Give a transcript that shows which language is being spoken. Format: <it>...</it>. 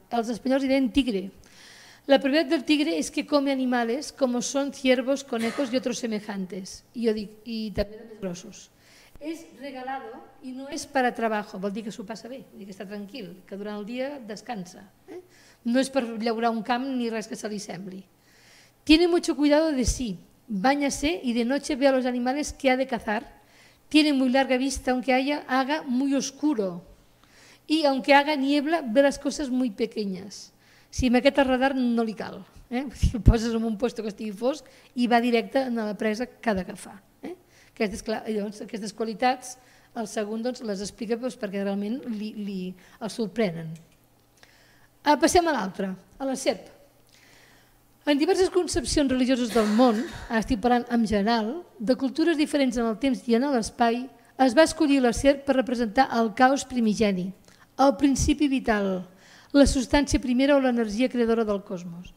<ca>Els espanyols hi deien tigre. La propietat del tigre és que come animals com són</ca> <es>ciervos, conejos</es> <ca>i altres</ca> <es>semejantes.</es> <ca>I jo dic, i també de més grossos. És regalado i no és per a treball, vol dir que s'ho passa bé, que està tranquil, que durant el dia descansa. No és per llaurar un camp ni res que se li sembli.</ca> <es>Tiene mucho cuidado de sí, báñase y de noche ve a los animales que ha de cazar. Tiene muy larga vista, aunque haga muy oscuro. Y aunque haga niebla, ve las cosas muy pequeñas.</es> <ca>Si amb aquest radar no li cal. Si el poses en un lloc que estigui fosc i va directe a la presa que ha d'agafar. Aquestes, clar, llavors, aquestes qualitats, el segon doncs, les explica doncs, perquè realment el sorprenen. Passem a l'altre, a la serp. En diverses concepcions religioses del món, estic parlant en general, de cultures diferents en el temps i en l'espai, es va escollir la serp per representar el caos primigeni, el principi vital, la substància primera o l'energia creadora del cosmos.</ca>